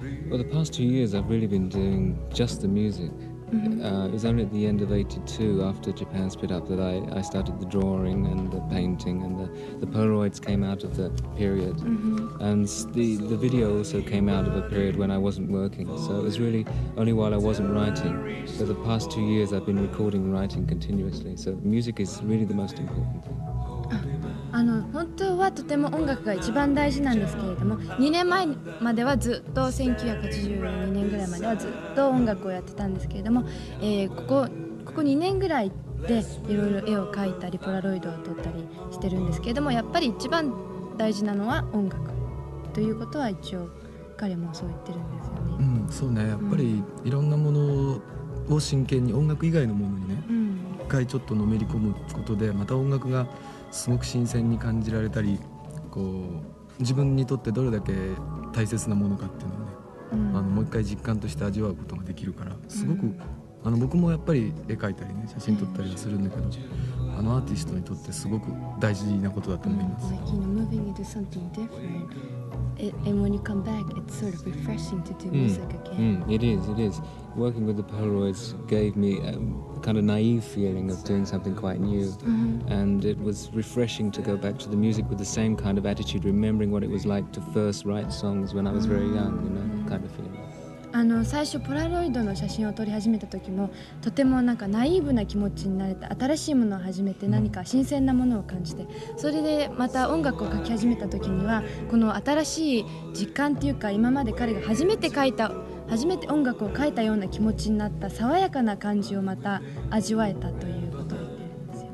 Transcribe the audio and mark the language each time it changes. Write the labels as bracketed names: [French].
[English] Well, the past 2 years I've really been doing just the music. It was only at the end of 82 after Japan split up that I started the drawing and the painting and the Polaroids came out of that period. And the video also came out of a period when I wasn't working. So it was really only while I wasn't writing. For the past 2 years I've been recording and writing continuously. So music is really the most important thing. [Japanese] 本当はとても音楽が一番大事なんですけれども、2年前まではずっと1982年ぐらいまではずっと音楽をやってたんですけれども、ここ2年ぐらいでいろいろ絵を描いたりポラロイドを撮ったりしてるんですけれども、やっぱり一番大事なのは音楽ということは一応彼もそう言ってるんですよね。うん、そうね、やっぱりいろんなものを真剣に、音楽以外のものにね、うん、一回ちょっとのめり込むことでまた音楽がすごく新鮮に感じられたり、こう自分にとってどれだけ大切なものかっていうのをね、うん、もう一回実感として味わうことができるから、すごく、うん、僕もやっぱり絵描いたりね、写真撮ったりはするんだけど、アーティストにとってすごく大事なことだと思います。 [English] Like, you know, moving into something different. And when you come back, it's sort of refreshing to do music again. It is. Working with the Polaroids gave me a kind of naive feeling of doing something quite new. And it was refreshing to go back to the music with the same kind of attitude, remembering what it was like to first write songs when I was very young, you know, kind of feeling. [Japanese] あの最初ポラロイドの写真を撮り始めた時もとてもなんかナイーブな気持ちになれた。新しいものを始めて何か新鮮なものを感じて、それでまた音楽を書き始めた時にはこの新しい実感っていうか、今まで彼が初めて音楽を書いたような気持ちになった爽やかな感じをまた味わえたということを言ってるんですよ、